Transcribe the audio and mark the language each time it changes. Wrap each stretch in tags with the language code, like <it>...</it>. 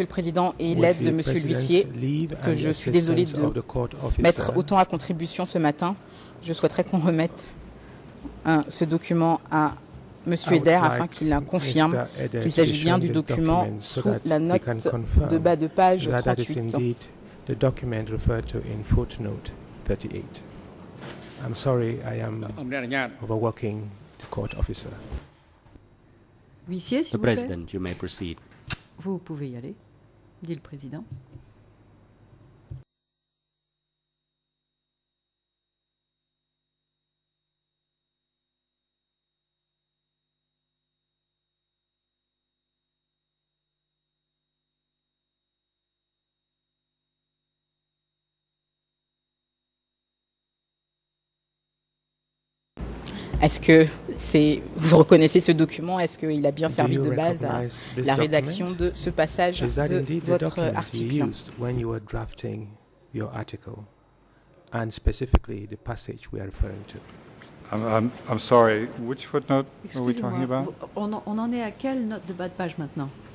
<fr>le Président et l'aide de M. l'huissier, que je suis désolé de mettre autant à contribution ce matin, je souhaiterais qu'on remette ce document à M. Eder afin qu'il la confirme qu'il s'agit bien du document sous la note de bas de page 38.</fr> <en>The document referred to in footnote 38. I'm sorry, I am overworking the court officer.</en> <fr>Huissier, s'il vous plaît.</fr> <en>You may proceed.</en> <fr>Vous pouvez y aller, dit le président. Est-ce que vous reconnaissez ce document? Est-ce qu'il a bien servi de base à la rédaction de ce passage de votre article?</fr> <en>Is that indeed the document you used when you were drafting your article, and specifically the passage we are referring to? I'm sorry. Which footnote are we talking about?</en> <fr>On en est à quelle note de bas de page maintenant?</fr>